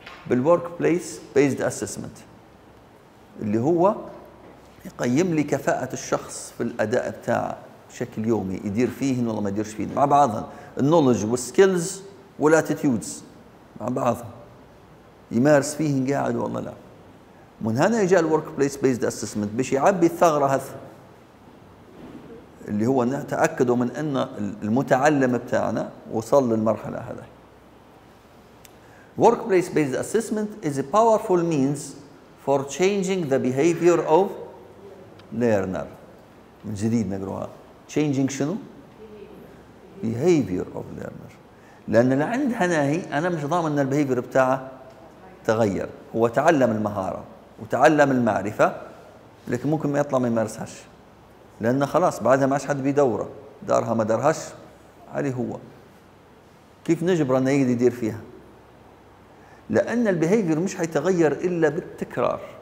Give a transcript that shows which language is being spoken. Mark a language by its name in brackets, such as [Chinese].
[Arabic] بالورك بليس بيزد اسسمنت، اللي هو يقيم لي كفاءة الشخص في الأداء بتاعه بشكل يومي، يدير فيهن ولا ما يديرش فيهن مع بعضهن، النولج والسكيلز والاتيتيودز مع بعضهن، يمارس فيهن قاعد ولا لا. من هنا يجي الورك بليس بيزد اسسمنت باش يعبي الثغرة هذه، اللي هو نتأكدوا من أن المتعلم بتاعنا وصل للمرحلة هذه. [English] Workplace based assessment is a powerful means for changing the behavior of learner. [Arabic] من جديد نقروها. [English] Changing شنو؟ Behavior of learner. [Arabic] لأن اللي عند هناهي أنا مش ضامن أن البيهيفير بتاعه تغير. هو تعلم المهارة وتعلم المعرفة لكن ممكن ما يطلع ما يمارسهاش، لأن خلاص بعدها ما عادش حد بيدوره، دارها ما دارهاش عليه هو. كيف نجبره أنه يدير فيها؟ لأن البيهيفير مش هيتغير إلا بالتكرار.